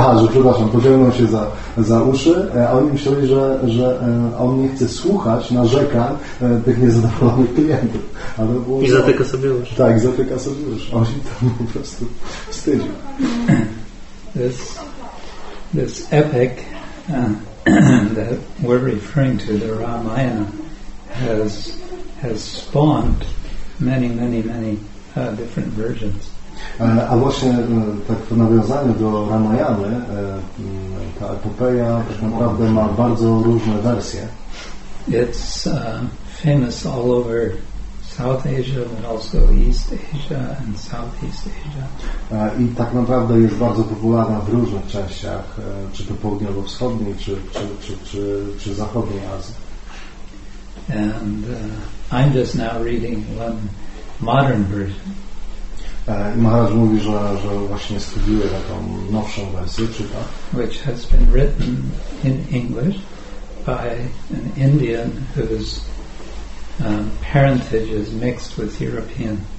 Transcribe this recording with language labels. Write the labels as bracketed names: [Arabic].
[Polish] Przepraszam, podzielą się za uszy, a oni myśleli, że on nie chce słuchać narzekań tych niezadowolonych klientów. Ale było, i zatyka sobie uszy. Tak, zatyka sobie uszy. On się tam po prostu wstydził. [English] This epic that we're referring to, the Ramayana, has spawned many, many, many different versions. [Polish] A właśnie tak w nawiązaniu do Ramayany, ta epopeja tak naprawdę ma bardzo różne wersje. [English] It's famous all over South Asia, but also East Asia and Southeast Asia. [Polish] I tak naprawdę jest bardzo popularna w różnych częściach, czy to południowo-wschodniej, czy zachodniej Azji. [English] And I'm just now reading one modern version. [Polish] Maharaj mówi, że właśnie studiuje taką nowszą wersję, czyta. [English] Which has been written in English by an Indian whose parentage is mixed with European.